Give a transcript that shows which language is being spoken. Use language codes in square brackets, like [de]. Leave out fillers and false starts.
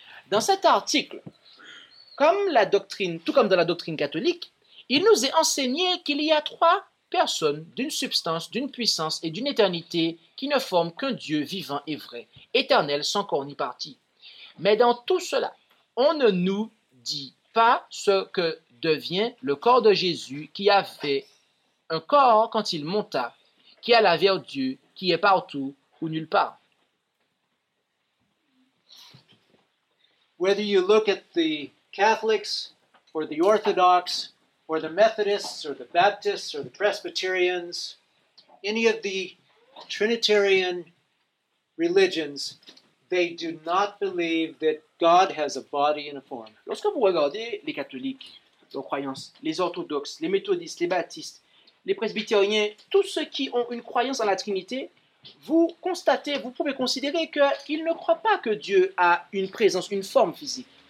[fr] Dans cet article, tout comme dans la doctrine catholique, il nous est enseigné qu'il y a trois personnes d'une substance, d'une puissance et d'une éternité qui ne forment qu'un Dieu vivant et vrai, éternel, sans corps ni partie. Mais dans tout cela, on ne nous dit pas ce que devient le corps de Jésus qui avait un corps quand il monta, qui alla vers Dieu, qui est partout ou nulle part. [en] Whether you look at the Catholics or the Orthodox or the Methodists or the Baptists or the Presbyterians, any of the Trinitarian religions, they do not believe that God has a body and a form. [fr] Lorsque vous regardez les catholiques, leurs croyances, les orthodoxes, les méthodistes, les baptistes, les presbytériens, tous ceux qui ont une croyance en la Trinité, vous constatez, vous pouvez considérer qu'ils ne croient pas que Dieu a une présence, une forme physique.